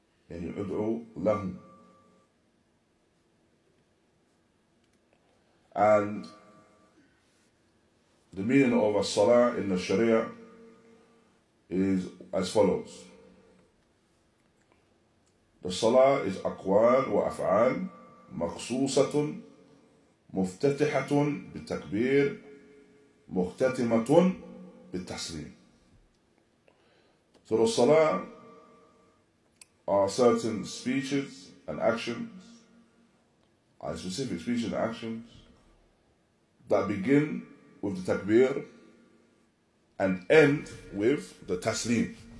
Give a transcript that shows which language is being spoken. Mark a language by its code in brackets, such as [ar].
[ar] يعني ادعو لهم. [en] And the meaning of a salah in the sharia is as follows. The Salah is [ar] أقوال وأفعال مخصوصة مفتتحة بالتكبير مختتمة بالتسليم. [en] So the Salah are certain speeches and actions, and specific speeches and actions that begin with the takbir and end with the taslim.